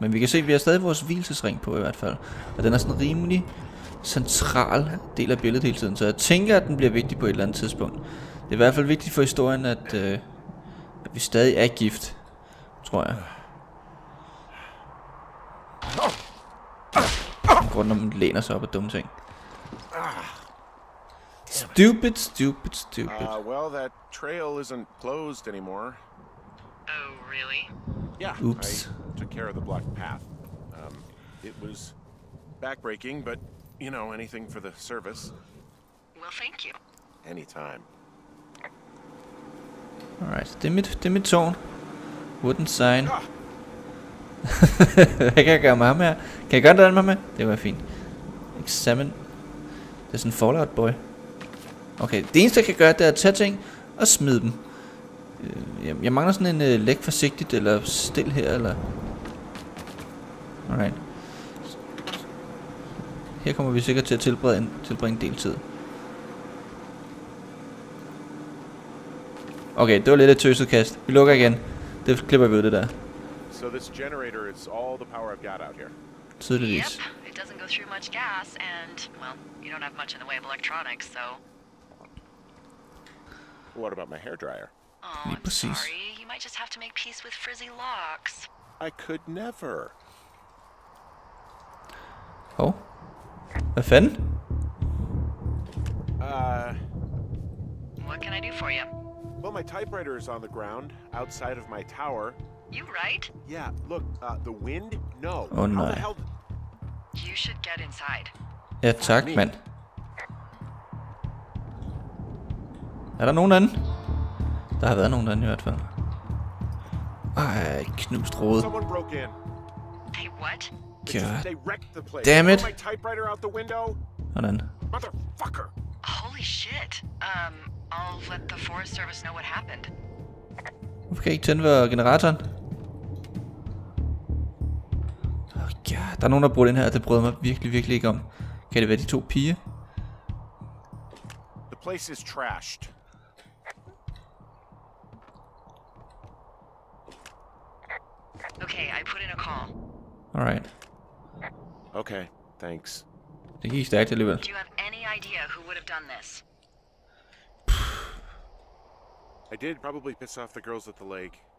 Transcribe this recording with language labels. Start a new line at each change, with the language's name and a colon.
Danish: Men vi kan se, vi har stadig vores hvilesesring på i hvert fald. Og den er sådan en rimelig central del af billedet hele tiden. Så jeg tænker, at den bliver vigtig på et eller andet tidspunkt. Det er i hvert fald vigtigt for historien, at vi stadig er gift. Tror jeg. Grunden, når man læner sig op af dumme ting.
English: Stupid, stupid, stupid. Well, that trail isn't closed anymore. Oh, really? Yeah. Oops. I took care of the blocked path. It was backbreaking, but, you know, anything for the service. Well, thank you. Anytime.
Danish: All right. Det er mit tårn.
English: Wooden sign.
Danish: Hvad kan jeg gøre med ham her? Kan jeg gøre det med ham her? Det var fint. Examine. Det er sådan en Fallout boy. Okay, det eneste jeg kan gøre, det er at tage ting og smide dem. Jeg mangler sådan en læg forsigtigt eller stil her eller... Alright. Her kommer vi sikkert til at tilbringe en del tid. Okay, det var lidt et tøset kast. Vi lukker igen. Det klipper vi ud det der.
English: So this generator is all the power I've got out here.
Danish: Tydeligvis.
English: Yep, it doesn't go through much gas and, well, you don't have much in the way of electronics, so... What about my hairdryer? Oh, I'm sorry. You might just have to make peace with frizzy locks. I could never.
Danish: Oh? Hvad fanden?
English: What can I do for you? Well, my typewriter is on the ground, outside of my tower. You right? Yeah, look, the wind? No. Oh, no. How the hell... You should get inside.
Danish: Ja, tak, mand. Er der nogen anden? Der har været nogen anden i hvert fald. Ej, knust rodet.
English: Someone broke in. They what? God damn it. My typewriter out the window.
Danish: Hvordan?
English: Motherfucker. Holy shit. I'll let the Forest Service know what happened.
Danish: Hvorfor kan jeg ikke tænde ved generatoren?
English: Oh god,
Danish: der er nogen der brød ind her, det brød mig virkelig, virkelig ikke om. Kan det være de to piger?
English: The place is trashed. Okay, I put in a call. Alright. Okay, thanks.
Danish: Det gik stærkt alligevel.
English: Do you have any idea who would have done this? I did probably piss off the girls at the lake.